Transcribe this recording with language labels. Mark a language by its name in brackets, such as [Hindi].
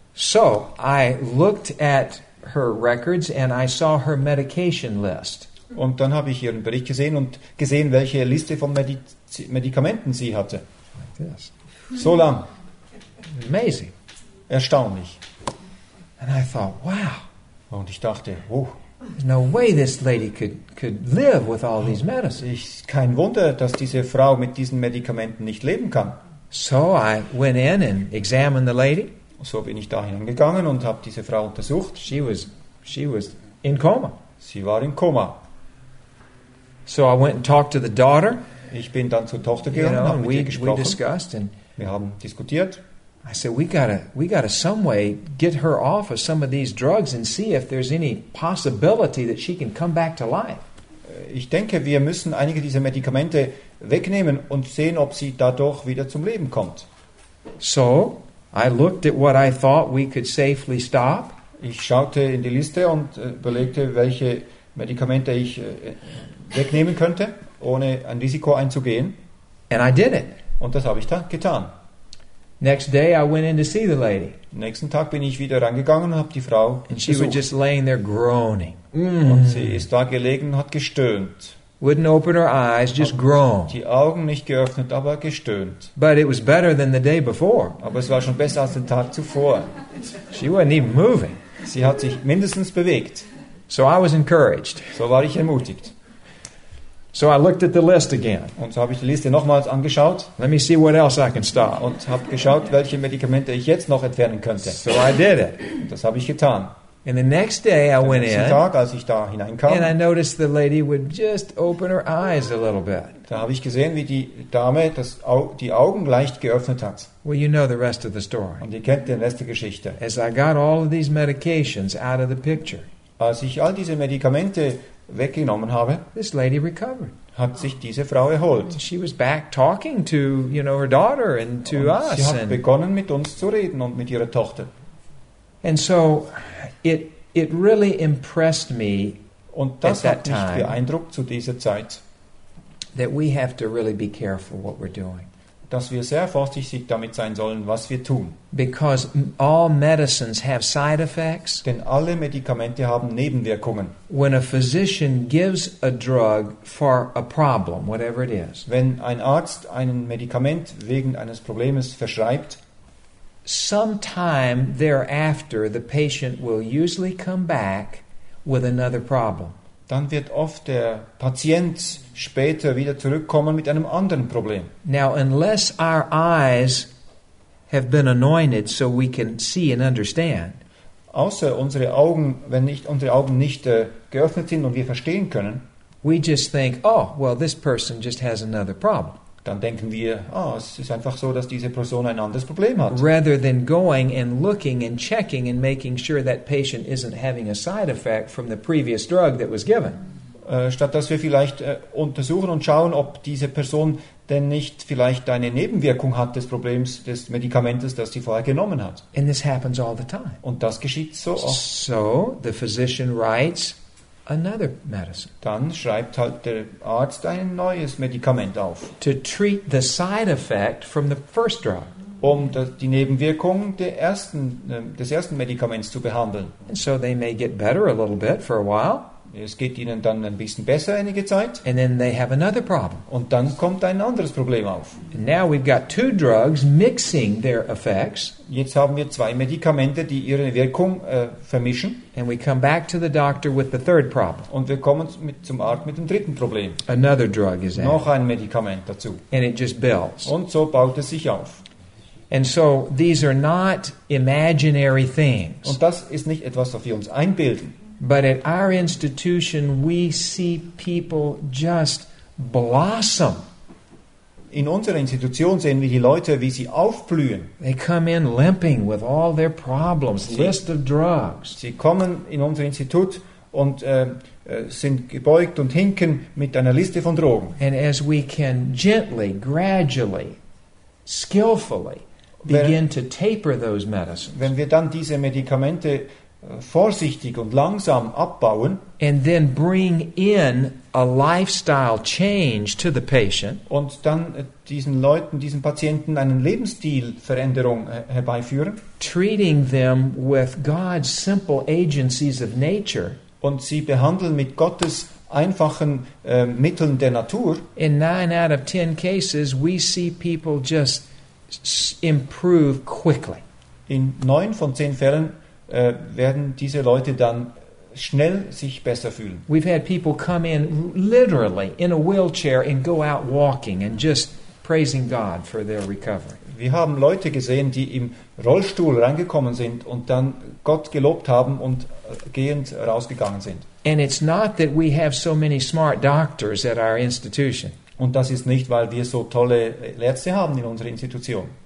[English] So, I looked at her records and I saw her medication list. [German] Und dann habe ich ihren Bericht gesehen und gesehen, welche Liste von Medikamenten sie hatte. [English] Like this. [German] So lang. [English] Amazing. [German] Erstaunlich. [English] And I thought, wow. [German] Und ich dachte, wow. [English] No way this lady could live with all these medicines. [German] Kein Wunder, dass diese Frau mit diesen Medikamenten nicht leben kann. [English] So I went in and examined the lady. [German] So bin ich da hineingegangen und habe diese Frau untersucht. [English] She was in coma. [German] Sie war im Koma. [English] So I went and talked to the daughter. [German] Ich bin dann zur Tochter gegangen, [English] you know, [German] und mit ihr gesprochen. [English] We discussed and [German] wir haben diskutiert. [English] I said, we gotta some way get her off of some of these drugs and see if there's any possibility that she can come back to life. [German] Ich denke, wir müssen einige dieser Medikamente wegnehmen und sehen, ob sie dadurch wieder zum Leben kommt. [English] So I looked at what I thought we could safely stop. [German] Ich schaute in die Liste und überlegte, welche Medikamente ich wegnehmen könnte, ohne ein Risiko einzugehen. [English] And I did it. [German] Und das habe ich dann getan. [English] Next day I went in to see the lady. [German] Nächsten Tag bin ich wieder reingegangen und habe die Frau [English] and [German] besucht. [English] She was just laying there groaning. [German] Und sie ist da gelegen und hat gestöhnt. [English] Wouldn't open her eyes, just groaned. [German] Die Augen nicht geöffnet, aber gestöhnt. [English] But it was better than the day before. [German] Aber es war schon besser als den Tag zuvor. [English] She wasn't even moving. [German] Sie hat sich mindestens bewegt. [English] So I was encouraged. [German] So war ich ermutigt. [English] So I looked at the list again. [German] Und so habe ich die Liste nochmals angeschaut. [English] Let me see what else I can start. [German] Und habe geschaut, welche Medikamente ich jetzt noch entfernen könnte. [English] So I did it. [German] Und das habe ich getan. [English] And the next day I went in. [German] Tag, als ich da hineinkam, [English] and I noticed the lady would just open her eyes a little bit. [German] Da habe ich gesehen, wie die Dame das die Augen leicht geöffnet hat. [English] Well, you know the rest of the story. [German] Und ihr kennt den Rest der Geschichte. [English] As I got all of these medications out of the picture. [German] Als ich all diese Medikamente weggenommen habe, [English] this lady recovered. [German] Hat sich diese Frau erholt. [English] She was back talking to, you know, her daughter and to [German] und [English] us. [German] Sie hat begonnen mit uns zu reden und mit ihrer Tochter. [English] And so it really impressed me [German] und das [English] at that [German] hat mich beeindruckt zu dieser Zeit, [English] that we have to really be careful what we're doing. [German] Dass wir sehr vorsichtig damit sein sollen, was wir tun. [English] Because all medicines have side effects. [German] Denn alle Medikamente haben Nebenwirkungen. [English] When a physician gives a drug for a problem, whatever it is. [German] Wenn ein Arzt ein Medikament wegen eines Problems verschreibt, [English] sometime thereafter the patient will usually come back with another problem. [German] Dann wird oft der Patient später wieder zurückkommen mit einem anderen Problem. [English] Now unless our eyes have been anointed so we can see and understand. [German] Außer unsere Augen, wenn nicht unsere Augen nicht geöffnet sind und wir verstehen können, [English] we just think, oh, well this person just has another problem. [German] Dann denken wir, oh, es ist einfach so, dass diese Person ein anderes Problem hat. [English] Rather than going and looking and checking and making sure that patient isn't having a side effect from the previous drug that was given. [German] Statt dass wir vielleicht untersuchen und schauen, ob diese Person denn nicht vielleicht eine Nebenwirkung hat des Problems, des Medikamentes, das sie vorher genommen hat. [English] And this happens all the time. [German] Und das geschieht so oft. [English] So, the physician writes another medicine. [German] Dann schreibt halt der Arzt ein neues Medikament auf. [English] To treat the side effect from the first drug. [German] Um die Nebenwirkung des ersten Medikaments zu behandeln. [English] And so they may get better a little bit for a while. [German] Es geht ihnen dann ein bisschen besser einige Zeit. [English] And then they have another problem. [German] Und dann kommt ein anderes Problem auf. [English] And now we've got two drugs mixing their effects. [German] Jetzt haben wir zwei Medikamente, die ihre Wirkung vermischen. [English] And we come back to the doctor with the third problem. [German] Und wir kommen zum Arzt mit dem dritten Problem. [English] Another drug is added. [German] Noch ein Medikament dazu. [English] And it just builds. [German] Und so baut es sich auf. [English] And so these are not imaginary things. [German] Und das ist nicht etwas, was wir uns einbilden. [English] But at our institution, we see people just blossom. [German] In unserer Institution sehen wir die Leute, wie sie aufblühen. [English] They come in limping with all their problems, list of drugs. [German] Sie kommen in unser Institut und sind gebeugt und hinken mit einer Liste von Drogen. [English] And as we can gently, gradually, skillfully begin to taper those medicines. [German] Wenn wir dann diese Medikamente vorsichtig und langsam abbauen, [English] and then bring in a lifestyle change to the patient, [German] und dann diesen Patienten einen Lebensstilveränderung herbeiführen, [English] treating them with God's simple agencies of nature, [German] und sie behandeln mit Gottes einfachen Mitteln der Natur. [English] In 9 out of 10 cases we see people just improve quickly. [German] In 9 von 10 Fällen werden diese Leute dann schnell sich besser fühlen. [English] We've had people come in literally in a wheelchair and go out walking and just praising God for their recovery. [German] Wir haben Leute gesehen, die im Rollstuhl reingekommen sind und dann Gott gelobt haben und gehend rausgegangen sind. [English] And it's not that we have so many smart doctors at our institution. [German] Und das ist nicht, weil wir so tolle Ärzte haben in unserer Institution.